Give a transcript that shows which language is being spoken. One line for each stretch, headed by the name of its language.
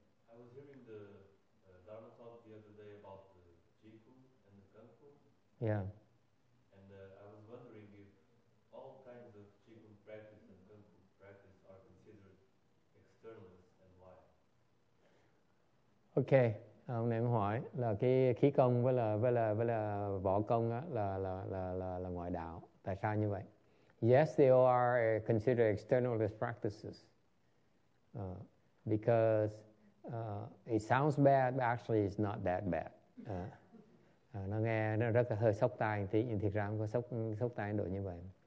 English: I was hearing the Dharma talk the other day about the Jinku and the Kungfu. Yeah. And I was wondering if all kinds of Jinku practice and Kungfu practice are considered externalists and why? Okay.
Vietnamese: Ông này hỏi là cái khí công với là võ công á là ngoại đạo. Tại sao như vậy?
English: Yes, they all are considered externalist practices because it sounds bad, but actually it's not that bad.
Vietnamese: Nó nghe nó rất là hơi sốc tai thì nhưng thực ra không có sốc tai độ như vậy.